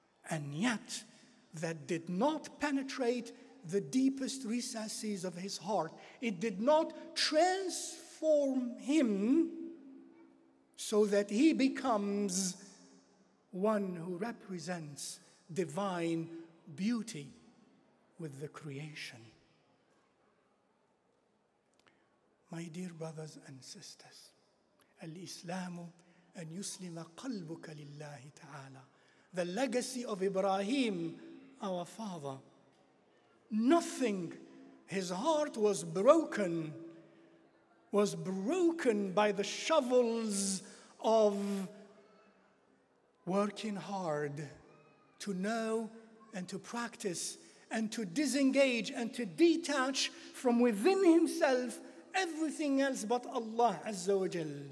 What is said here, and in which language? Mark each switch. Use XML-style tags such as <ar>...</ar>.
<en>And yet, that did not penetrate the deepest recesses of his heart. It did not transform him so that he becomes one who represents divine beauty with the creation. My dear brothers and sisters,</en> <ar>الإسلام أن يسلم قلبك لله تعالى.</ar> <en>The legacy of Ibrahim, our father. Nothing, his heart was broken by the shovels of working hard to know and to practice and to disengage and to detach from within himself everything else but Allah Azza wa Jal.</en>